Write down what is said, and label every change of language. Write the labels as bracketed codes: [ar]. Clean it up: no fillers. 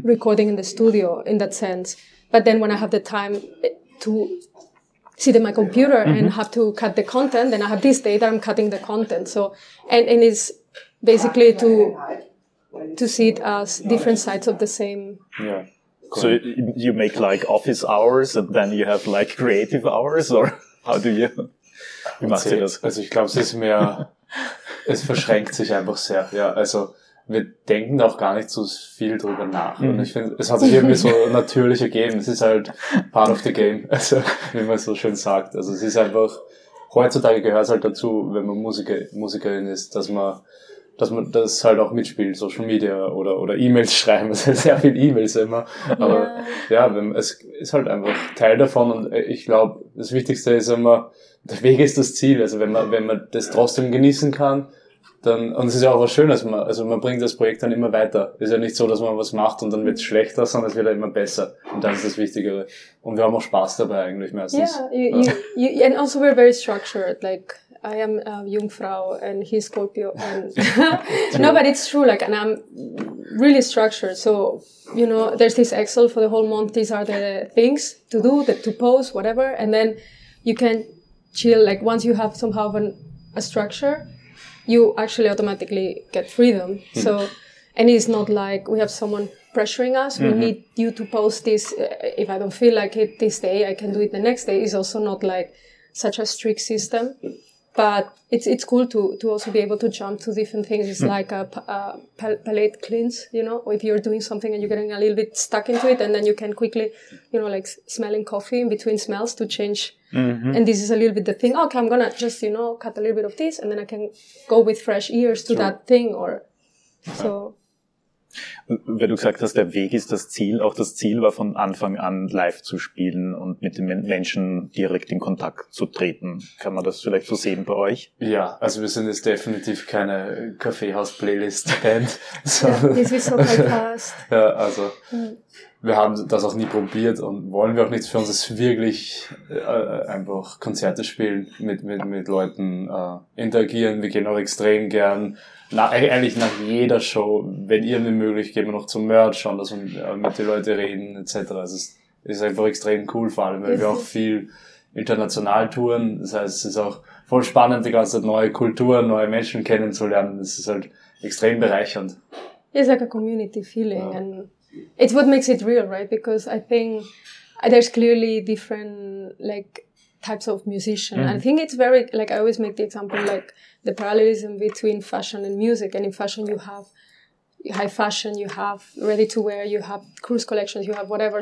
[en] recording in the studio in that sense. But then when I have the time to sit in my computer mm-hmm. and have to cut the content, then I have this day that I'm cutting the content. So, and it's basically to see it as different sides of the same. Yeah. So you make like office hours and then you have like creative hours, or how do you? [de] Wie macht ihr das? Also ich glaube, es verschränkt sich einfach sehr. Ja, also. Wir denken auch gar nicht so viel drüber nach. Mhm. Und ich finde, es hat sich irgendwie so natürlich ergeben. Es ist halt [en] part of the game, [de] also wie man so schön sagt. Also es ist einfach, heutzutage gehört es halt dazu, wenn man Musikerin ist, dass man das halt auch mitspielt, Social Media oder E-Mails schreiben. Es sind sehr viele E-Mails immer. Aber ja, es ist halt einfach Teil davon. Und ich glaube, das Wichtigste ist immer, der Weg ist das Ziel. Also wenn man das trotzdem genießen kann, dann, und es ist ja auch was Schönes, man bringt das Projekt dann immer weiter. Ist ja nicht so, dass man was macht und dann wird es schlechter, sondern es wird ja immer besser. Und das ist das Wichtigere. Und wir haben auch Spaß dabei eigentlich meistens. [en] Yeah, you, and also we're very structured. Like, I am a Jungfrau and he's Scorpio. And no, but it's true. Like, and I'm really structured. So, you know, there's this Excel for the whole month. These are the things to do, to post, whatever. And then you can chill. Like, once you have somehow a structure, you actually automatically get freedom. So, and it's not like we have someone pressuring us. Mm-hmm. We need you to post this. If I don't feel like it this day, I can do it the next day. It's also not like such a strict system. But it's cool to also be able to jump to different things. It's like a palate cleanse, you know, if you're doing something and you're getting a little bit stuck into it, and then you can quickly, you know, like smelling coffee in between smells to change. Mm-hmm. And this is a little bit the thing. Okay, I'm going to just, you know, cut a little bit of this and then I can go with fresh ears to that thing or so. [de] Wenn du gesagt hast, der Weg ist das Ziel, auch das Ziel war von Anfang an live zu spielen und mit den Menschen direkt in Kontakt zu treten. Kann man das vielleicht so sehen bei euch? Ja, also wir sind jetzt definitiv keine Kaffeehaus-Playlist-Band. [en] So. This is so fast. [de] Ja, also wir haben das auch nie probiert und wollen wir auch nichts. Für uns ist wirklich einfach Konzerte spielen, mit Leuten interagieren. Wir gehen auch extrem gern. Eigentlich nach jeder Show, wenn irgendwie möglich, gehen wir noch zum Merch, schauen, dass wir mit den Leuten reden, etc. Also es ist einfach extrem cool, vor allem, weil wir auch viel international touren. Das heißt, es ist auch voll spannend, die ganze Zeit neue Kulturen, neue Menschen kennenzulernen. Es ist halt extrem bereichernd. [en] It's like a community feeling. Ja. And it's what makes it real, right? Because I think there's clearly different, like, types of musician. Mm. I think it's very, like, I always make the example, like, the parallelism between fashion and music. And in fashion, you have high fashion, you have ready to wear, you have cruise collections, you have whatever.